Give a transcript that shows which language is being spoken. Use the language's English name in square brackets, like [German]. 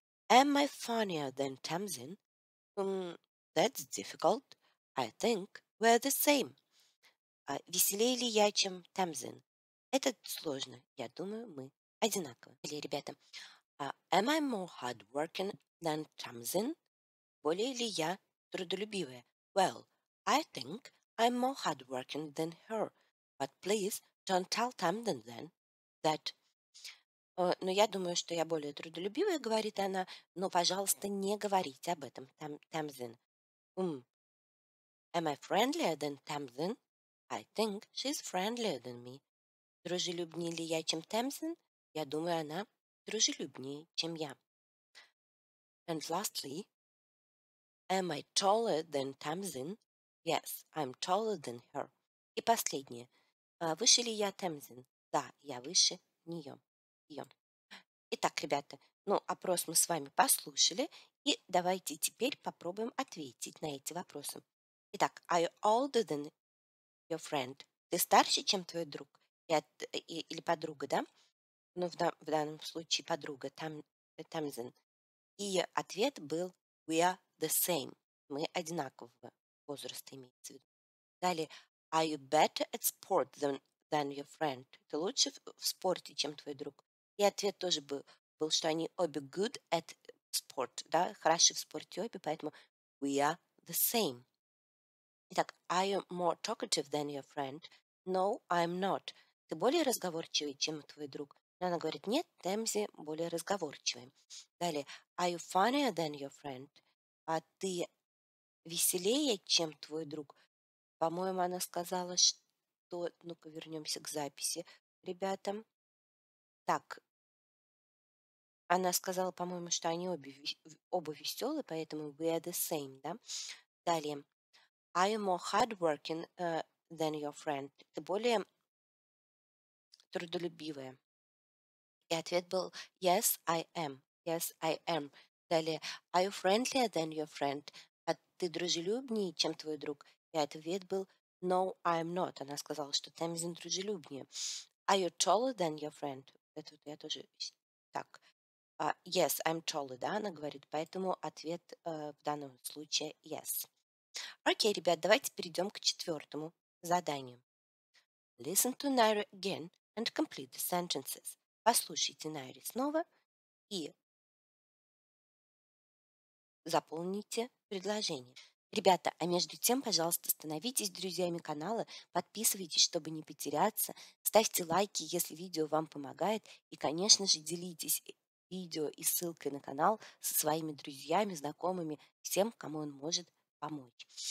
[English] Am I funnier than Тамзин? That's difficult. I think we're the same. [Russian] Веселее ли я, чем Тамзин? Это сложно. Я думаю, мы одинаковы. Или, ребята, [English] am I more hardworking than [Russian] Тамзин? Более ли я трудолюбивая? [English] Well, I think I'm more hardworking than her. But please don't tell Тамзин then that. [Russian] Но я думаю, что я более трудолюбивая, говорит она. Но, пожалуйста, не говорите об этом, Тамзин. [English] Am I friendlier than Тамзин? I think she's friendlier than me. [Russian] Дружелюбнее ли я, чем Тамзин? Я думаю, она дружелюбнее, чем я. [English] And lastly, am I taller than Тамзин? Yes, I'm taller than her. [Russian] И последнее. Выше ли я Тамзин? Да, я выше нее. Итак, ребята, опрос мы с вами послушали. И давайте теперь попробуем ответить на эти вопросы. Итак, [English] are you older than your friend? [Russian] Ты старше, чем твой друг или подруга, да? В данном случае подруга, Тамзин. И ответ был [English] we are the same. [Russian] Мы одинакового возраста имеется в виду. Далее, [English] are you better at sport than your friend? [Russian] Ты лучше в спорте, чем твой друг? И ответ тоже был, что они обе [English] good at sport, [Russian] да, хороши в спорте обе, поэтому [English] we are the same. Итак, are you more talkative than your friend? No, I'm not. [Russian] Ты более разговорчивый, чем твой друг? Но она говорит, нет, Тамзин более разговорчивый. [English] Далее, are you funnier than your friend? [Russian] А ты веселее, чем твой друг? По-моему, она сказала, что... Ну-ка, вернемся к записи, ребята. Так, она сказала, по-моему, что они оба веселы, поэтому [English] we are the same, [Russian] да? Далее. [English] Are you more hardworking than your friend. [Russian] Ты более трудолюбивая. И ответ был [English] yes, I am. Yes, I am. Далее, are you friendlier than your friend? [Russian] А ты дружелюбнее, чем твой друг? И ответ был [English] no, I am not. [Russian] Она сказала, что Тэмзин дружелюбнее. [English] Are you taller than your friend? [Russian] Это вот я тоже так. [English] Yes, I'm taller, [Russian] да, она говорит. Поэтому ответ в данном случае yes. Окей, ребят, давайте перейдем к четвертому заданию. [English] Listen to Naira again and complete the sentences. [Russian] Послушайте Наире снова и заполните предложение. Ребята, а между тем, пожалуйста, становитесь друзьями канала, подписывайтесь, чтобы не потеряться, ставьте лайки, если видео вам помогает, и, конечно же, делитесь видео и ссылкой на канал со своими друзьями, знакомыми, всем, кому он может помочь.